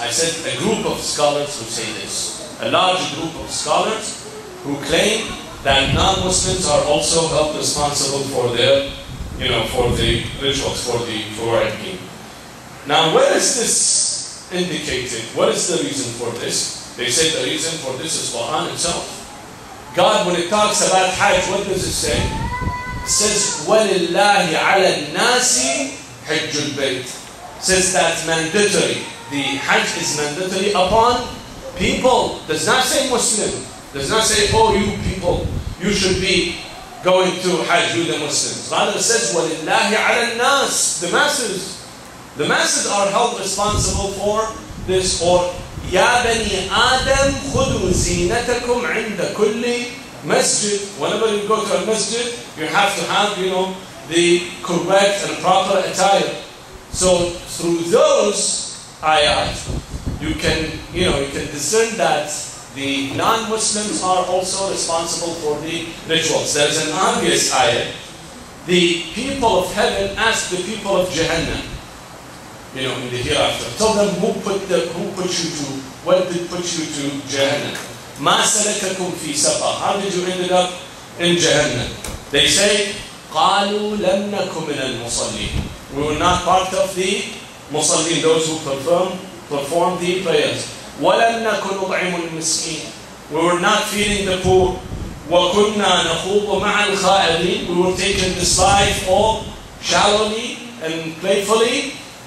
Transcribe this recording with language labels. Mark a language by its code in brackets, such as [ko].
[en] I said a group of scholars who say this. A large group of scholars who claim that non-Muslims are also held responsible for their, you know, for the rituals, for the Quran king. Now, where is this indicated? What is the reason for this? They say the reason for this is Quran itself. God, when it talks about hajj, what does it say? It says, [ar] وَلِلَّهِ عَلَى النَّاسِ حَجُّ الْبَيْتِ. [en] It says that mandatory. The hajj is mandatory upon people. Does not say Muslim. Does not say, oh, you people, you should be going to hajj, you the Muslims. Rather, it says, [ar] وَلِلَّهِ عَلَى النَّاسِ. [en] The masses. The masses are held responsible for this. [ar] Or يَا بَنِي آدَمْ خُدُوا زِينَتَكُمْ عِنْدَ كُلِّ مَسْجِدٍ. [en] Whenever you go to a masjid, you have to have, you know, the correct and proper attire. So through those ayat, you can, you know, you can discern that the non-Muslims are also responsible for the rituals. There's an obvious ayat. The people of heaven ask the people of Jahannam, you know, in the hereafter, tell them what put you to Jahannam. [ar] مَا سَلَكَكُمْ فِي سَقَى. [en] How did you end up in Jahannam? They say, [ar] قَالُوا لَمْ نَكُمْ مِنَ الْمُصَلِّينَ. [en] We were not part of the Musalleen, those who perform the prayers. [ar] وَلَمْ نَكُنْ نُطْعِمُ الْمِسْكِينَ. [en] We were not feeding the poor. [ar] وَكُنَّا نَخُوضُ مَعَ الْخَائِضِينَ. [en] We were taking the side all shallowly and playfully.